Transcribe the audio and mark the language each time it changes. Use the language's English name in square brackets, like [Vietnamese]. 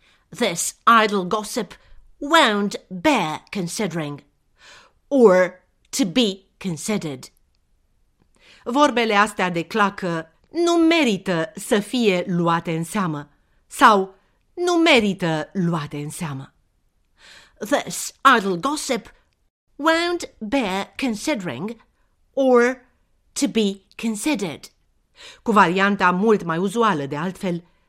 [English] This idle gossip won't bear considering or to be considered. [Romanian] Vorbele astea de clacă nu merită să fie luate în seamă sau nu merită luate în seamă. [English] This idle gossip won't bear considering or to be considered. [Romanian] Cu varianta mult mai uzuală de altfel,